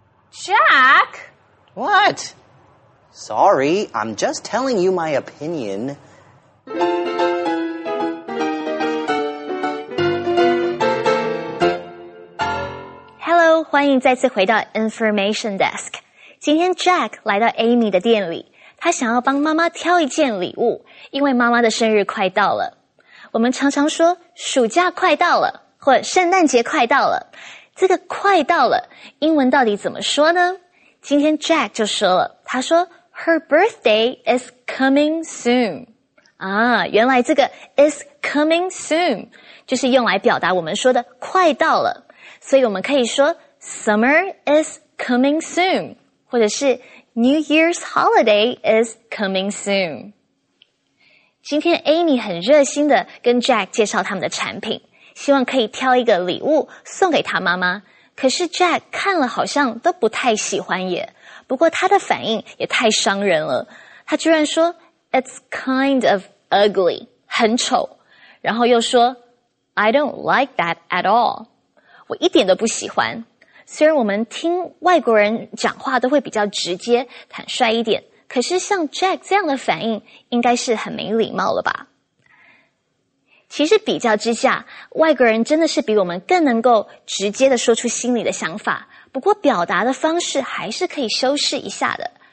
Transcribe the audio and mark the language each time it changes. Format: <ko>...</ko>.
<en>Jack! What? Sorry, I'm just telling you my opinion.</en> <zh>Hello, 欢迎再次回到 Information Desk. 今天 Jack 来到 Amy 的店里，他想要帮妈妈挑一件礼物，因为妈妈的生日快到了。我们常常说暑假快到了，或圣诞节快到了。这个快到了，英文到底怎么说呢？今天 Jack 就说了，他说</zh> <en>Her birthday is coming soon.</en> <zh>啊，原来这个</zh> <en>is coming soon</en> <zh>就是用来表达我们说的快到了。所以我们可以说</zh> <en>Summer is coming soon，</en> <zh>或者是</zh> <en>New Year's holiday is coming soon.</en> <zh>今天 Amy 很热心的跟 Jack 介绍他们的产品，希望可以挑一个礼物送给他妈妈。可是 Jack 看了好像都不太喜欢耶。不过他的反应也太伤人了。他居然说</zh> <en>It's kind of ugly,</en> <zh>很丑。然后又说</zh> <en>I don't like that at all.</en> <zh>我一点都不喜欢。虽然我们听外国人讲话都会比较直接、坦率一点，可是像 Jack 这样的反应应该是很没礼貌了吧？其实比较之下，外国人真的是比我们更能够直接的说出心里的想法，不过表达的方式还是可以修饰一下的。</zh>